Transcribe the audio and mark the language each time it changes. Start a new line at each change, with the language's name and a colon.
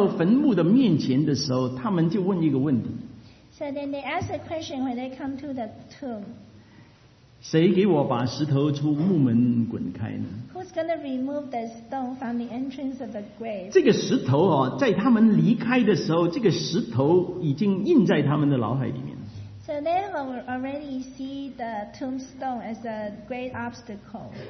Chinese: 困难没有办法解决。他们来到坟墓的面前的时候，他们就问一个问题。
English: So then they ask a question when they come to the tomb.
Chinese: 谁给我把石头从墓门滚开呢？
English: Who's going to remove the stone from the entrance of the grave?
Chinese: 这个石头在他们离开的时候，这个石头已经印在他们的脑海里面。
English: So they have already see the tombstone as a great obstacle.